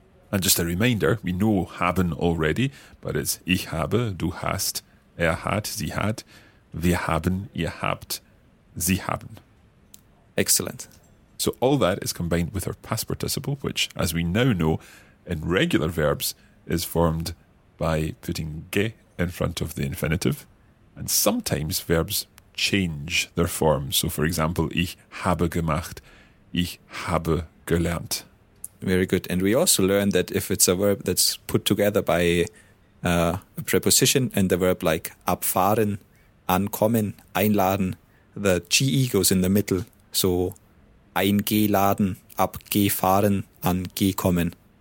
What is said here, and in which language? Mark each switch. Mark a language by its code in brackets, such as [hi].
[en] And just a reminder, we know haben already, but it's [de] ich habe, du hast, er hat, sie hat, wir haben, ihr habt, sie haben. [en] Excellent. So all that is combined with our past participle, which, as we now know, in regular verbs, is formed by putting ge in front of the infinitive. And sometimes verbs change their form. So, for example, [de] ich habe gemacht, ich habe gelernt. [en] Very good. And we also learned that if it's a verb that's put together by a preposition and the verb like abfahren, ankommen, einladen, the GE goes in the middle. So eingeladen, abgefahren, angekommen.